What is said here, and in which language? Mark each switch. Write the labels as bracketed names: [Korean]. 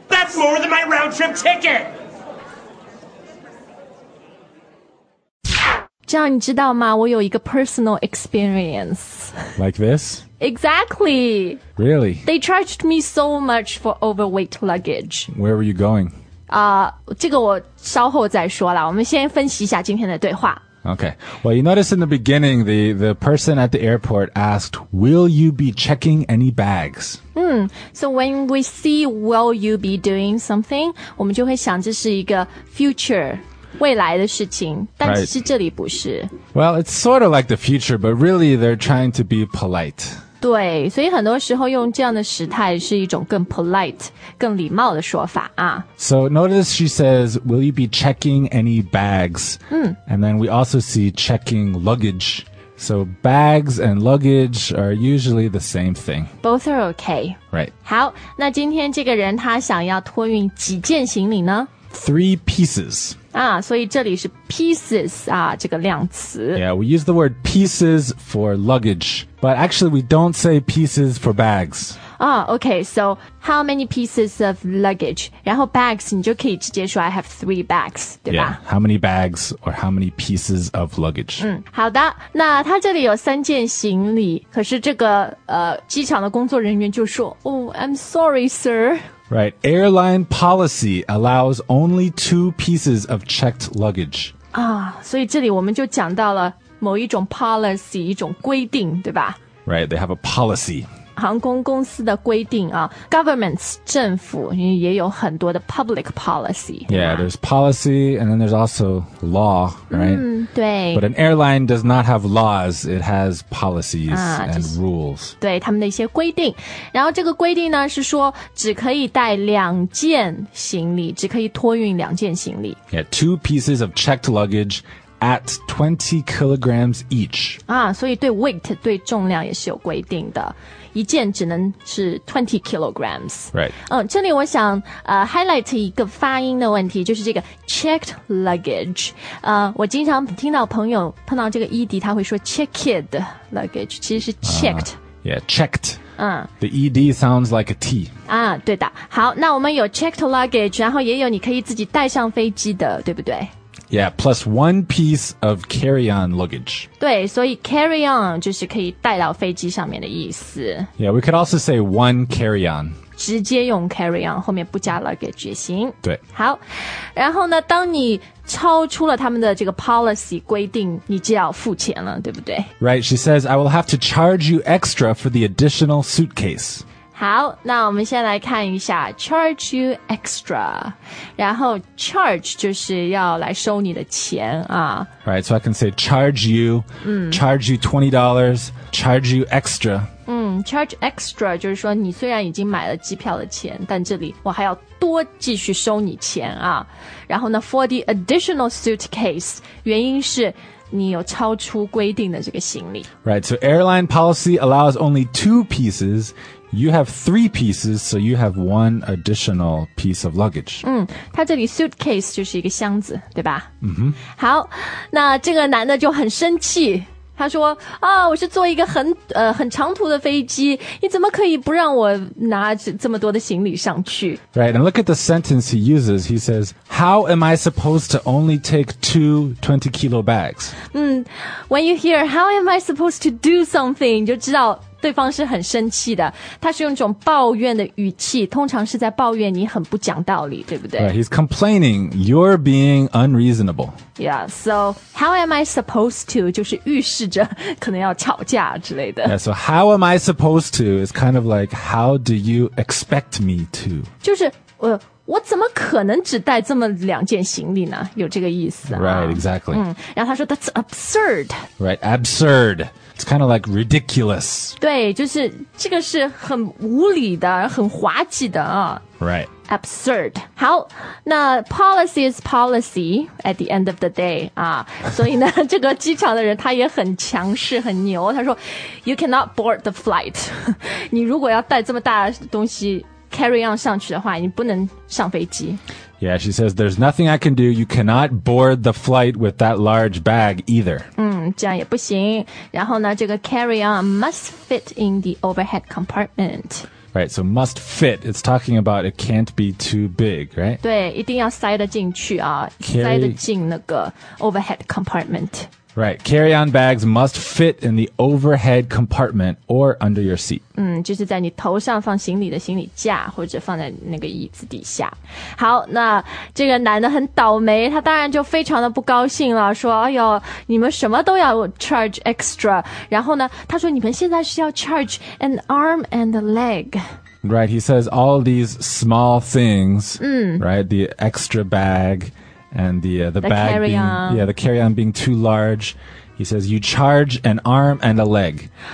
[English] That's more than my round-trip ticket! [Chinese] 这样你知道吗？我有一个 [English] personal experience. Like this? Exactly. Really? They charged me so much for overweight luggage. Where were you going? [Chinese] 这个我稍后再说了。我们先分析一下今天的对话。 [English] Okay. Well, you notice in the beginning, the person at the airport asked, will you be checking any bags? So when we see, will you be doing something? [Chinese] 我们就会想这是一个 future. 未来的事情但其实这里不是、 [English] right. Well, it's sort of like the future, but really they're trying to be polite. [Chinese] 对所以很多时候用这样的时态是一种更 polite, 更礼貌的说法啊。 [English] So notice she says, will you be checking any bags?、And then we also see checking luggage. So bags and luggage are usually the same thing. Both are okay. Right. [Chinese] 好那今天这个人他想要托运几件行李呢 [English] 3 pieces. [Chinese] 所以这里是 pieces, 这个量词。 [English] Yeah, we use the word pieces for luggage, but actually we don't say pieces for bags. Okay, so how many pieces of luggage? [Chinese] 然后 bags, 你就可以直接说 [English] I have 3 bags, [Chinese] 对吧 [English] Yeah, how many bags or how many pieces of luggage? [Chinese] 好的那他这里有三件行李可是这个机场的工作人员就说 [English] Oh, I'm sorry, sir. Right, airline policy allows only 2 pieces of checked luggage. [Chinese] 所以这里我们就讲到了某一种 policy, 一种规定,对吧? [English] Right, they have a policy. [Chinese] 航空公司的规定啊 governments, 政府也有很多的 [English] public policy. Yeah, there's policy and then there's also law, right? [Chinese] 对。 [English] But an airline does not have laws, it has policies and rules. [Chinese] 对,他们的一些规定。然后这个规定呢是说只可以带两件行李,只可以托运两件行李。 [English] Yeah, 2 pieces of checked luggage at 20 kilograms each. [Chinese] 所以对 weight, 对重量也是有规定的。一件只能是 [English] 20 kilograms. Right. [Chinese] 这里我想highlight 一个发音的问题就是这个 [English] checked luggage. [Chinese] 我经常听到朋友碰到这个 ED, 他会说 [English] checked luggage, [Chinese] 其实是 checked. [English] Yeah, checked. The ED sounds like a T. [Chinese] 对的。好那我们有 [English] checked luggage, [Chinese] 然后也有你可以自己带上飞机的对不对 [English] Yeah, plus 1 piece of carry-on luggage. [Chinese] 对,所以 carry-on 就是可以带到飞机上面的意思。 [English] Yeah, we could also say 1 carry-on. [Chinese] 直接用 carry-on, 后面不加 luggage 也行。对。好,然后呢,当你超出了他们的这个 policy 规定,你就要付钱了,对不对? [English] Right, she says, I will have to charge you extra for the additional suitcase. [Chinese] 好那我们先来看一下 [English] charge you extra [Chinese] 然后 charge 就是要来收你的钱啊 [English] Right, so I can say charge you, charge you $20, charge you extra. charge extra [Chinese] 就是说你虽然已经买了机票的钱，但这里我还要多继续收你钱啊。然后呢 [English] for the additional suitcase， [Chinese] 原因是你有超出规定的这个行李。 [English] Right, so airline policy allows only two pieces. You have three pieces, so you have one additional piece of luggage. [Chinese] 他这里 suitcase 就是一个箱子，对吧？嗯哼。好，那这个男的就很生气，他说啊，我是坐一个很长途的飞机，你怎么可以不让我拿这么多的行李上去？ [English] Right, and look at the sentence he uses. He says, how am I supposed to only take two 20 kilo bags? When you hear, how am I supposed to do something, [Chinese] 你就知道对方是很生气的。他是用一种抱怨的语气，通常是在抱怨你很不讲道理，对不对？ [English] Right, he's complaining, you're being unreasonable. Yeah, so how am I supposed to? [Chinese] 就是预示着可能要吵架之类的。 [English] Yeah, so how am I supposed to? It's kind of like, how do you expect me to? [Chinese] 就是我怎么可能只带这么两件行李呢？有这个意思啊。 [English] Right, exactly. [Chinese] 然后他说 [English] that's absurd. Right, absurd. It's kind of like ridiculous. [Chinese] 对，就是这个是很无理的，很滑稽的啊。 [English] Right. Absurd. [Chinese] 好，那 [English] policy is policy at the end of the day. [Chinese] 啊，所以呢，这个机场的人他也很强势，很牛。他说 [English] ，You cannot board the flight. [Chinese] 你如果要带这么大的东西 [English] carry on [Chinese] 上去的话，你不能上飞机。 [English] Yeah, she says, there's nothing I can do. You cannot board the flight with that large bag either. [Chinese] 这样也不行。然后呢，这个 [English] carry on must fit in the overhead compartment. Right, so must fit. It's talking about it can't be too big, right? [Chinese] 对，一定要塞得进去啊 [English] carry, [Chinese] 塞得进那个 [English] overhead compartment. Right, carry-on bags must fit in the overhead compartment or under your seat. [Chinese] 就是在你头上放行李的行李架或者放在那个椅子底下。好，那这个男的很倒霉，他当然就非常的不高兴了，说哎呦，你们什么都要 [English] charge extra. [Chinese] 然后呢，他说你们现在是要 [English] charge an arm and a leg. Right, he says all these small things, right, the extra bag and the bag carry-on. Being, the carry-on being too large. He says you charge an arm and a leg.